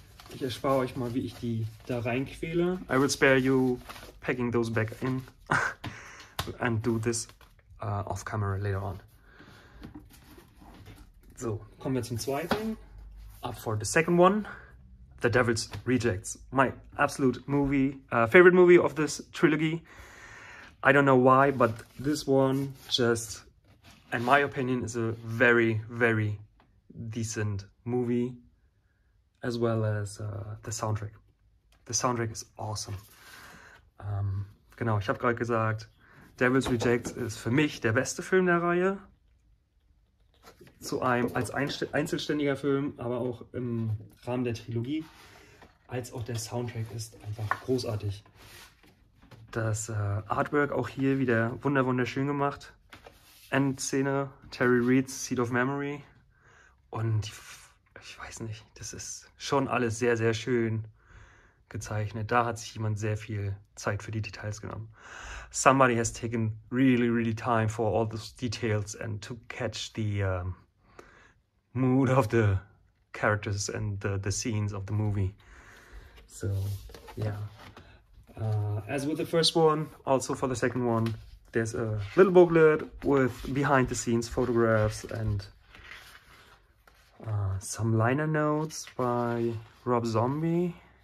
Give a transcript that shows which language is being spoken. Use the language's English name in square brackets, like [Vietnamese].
[German] Ich erspare euch mal, wie ich die da reinquäle. [English] I will spare you packing those back in and do this off camera later on. [German] So, kommen wir zum zweiten. [English] Up for the second one. The Devil's Rejects. My absolute movie, favorite movie of this trilogy. I don't know why, but this one just, in my opinion, is a very, very decent movie, as well as the soundtrack. The soundtrack is awesome. [German] Genau, ich habe gerade gesagt, Devil's Rejects ist für mich der beste Film der Reihe. Zu einem als einzelständiger Film, aber auch im Rahmen der Trilogie, als auch der Soundtrack ist einfach großartig. Das Artwork auch hier wieder wunderschön gemacht. Endszene, Terry Reeds, Seed of Memory. Und ich weiß nicht, das ist schon alles sehr, sehr schön gezeichnet. Da hat sich jemand sehr viel Zeit für die Details genommen. [English] Somebody has taken really, really time for all those details and to catch the mood of the characters and the scenes of the movie. So, yeah. As with the first one, also for the second one, there's a little booklet with behind the scenes photographs and some liner notes by Rob Zombie.